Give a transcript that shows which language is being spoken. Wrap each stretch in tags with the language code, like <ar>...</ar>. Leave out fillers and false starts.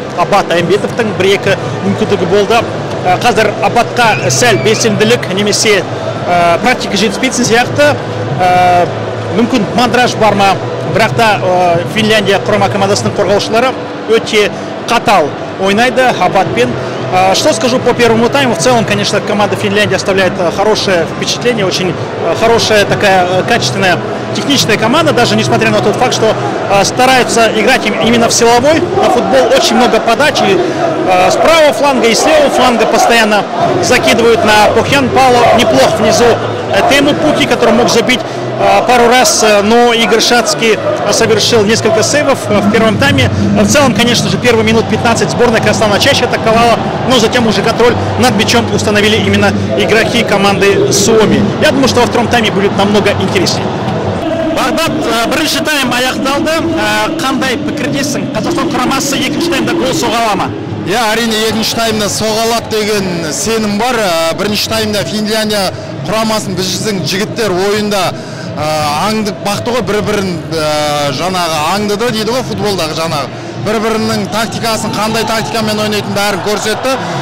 <kk>Абат Айымбетовтың бір-екі мүмкіндігі болды. Қазір Абатқа сәл белсенділік немесе практика жетіспейтін сияқты, мүмкін мандраж бар ма? Бірақ та Финляндия құрама командасының қорғаушылары өте қатал ойнайды Абатпен.</kk> <ru>Что скажу по первому тайму? В целом, конечно, команда Финляндии оставляет хорошее впечатление, очень хорошая такая качественная техничная команда, даже несмотря на тот факт, что стараются играть именно в силовой, на футбол очень много подач, и с правого фланга, и с левого фланга постоянно закидывают на Похьян Пало, неплохо внизу Тему Пукки, который мог забить пару раз, но Игорь Шацкий совершил несколько сейвов в первом тайме. В целом, конечно же, первые минут 15 сборная Казахстана чаще атаковала, но затем уже контроль над мячом установили именно игроки команды Суоми. Я думаю, что во втором тайме будет намного интереснее.</ru> <kk>Бағдат, бірінші тайм аяқталды. Қандай пікірдесің? Қазақстан құрамасы екінші таймда гол соға ала ма? Иә, әрине, екінші таймда соға алады деген сенім бар. Бірінші таймда Финляндия құрамасының біздің жігіттер ойында аңдып бақты ғой, бір-бірін жаңағы аңдыды дейді ғой футболдағы, жаңағы бір-бірінің тактикасын, қандай тактикамен ойнайтынын бәрін көрсетті.</kk>